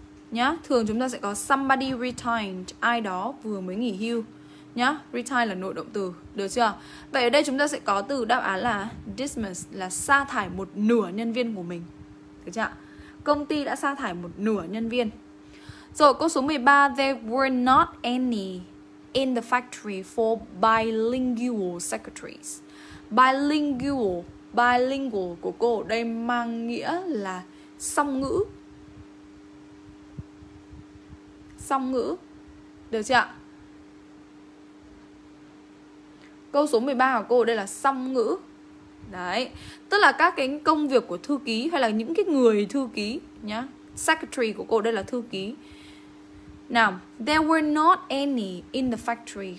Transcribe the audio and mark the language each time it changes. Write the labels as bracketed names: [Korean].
[Vietnamese] Nhá, thường chúng ta sẽ có [English] somebody retired, [Vietnamese] ai đó vừa mới nghỉ hưu. Nhá, retire là nội động từ, được chưa? Vậy ở đây chúng ta sẽ có từ đáp án là dismiss, là sa thải một nửa nhân viên của mình. Được chưa? Công ty đã sa thải một nửa nhân viên. Rồi câu số 13, [English] there were not any in the factory for bilingual secretaries. [Vietnamese] Bilingual của cô đây mang nghĩa là song ngữ. Song ngữ. Được chưa ạ? Câu số 13 của cô đây là song ngữ. Đấy, tức là các cái công việc của thư ký hay là những cái người thư ký nhá, secretary của cô đây là thư ký. [English] Now, there were not any in the factory.